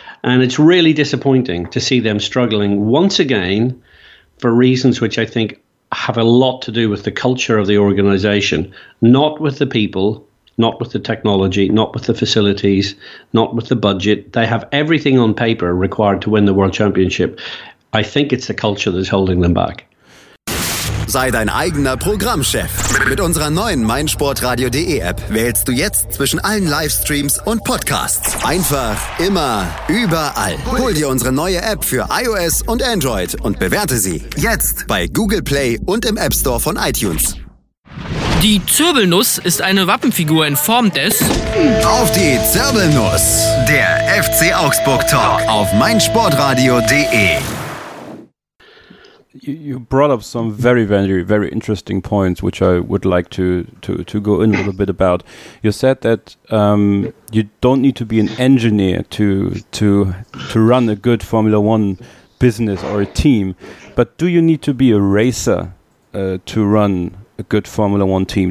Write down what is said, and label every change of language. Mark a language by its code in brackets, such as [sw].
[en] And it's really disappointing to see them struggling once again for reasons which I think have a lot to do with the culture of the organization, not with the people, not with the technology, not with the facilities, not with the budget. They have everything on paper required to win the world championship. I think it's the culture that's holding them back. [de] Sei dein eigener Programmchef. Mit unserer neuen meinsportradio.de App wählst du jetzt zwischen allen Livestreams und Podcasts. Einfach, immer, überall. Hol dir unsere neue App für iOS und Android und bewerte sie jetzt bei Google Play und im App Store von iTunes. Die Zirbelnuss ist eine Wappenfigur in Form des... Auf die Zirbelnuss, der FC Augsburg Talk auf meinsportradio.de. [en] You brought up some very, very, very interesting points, which I would like to go in a little bit about. You said that you don't need to be an engineer to run a good Formula One business or a team, but do you need to be a racer to run a good Formula One team?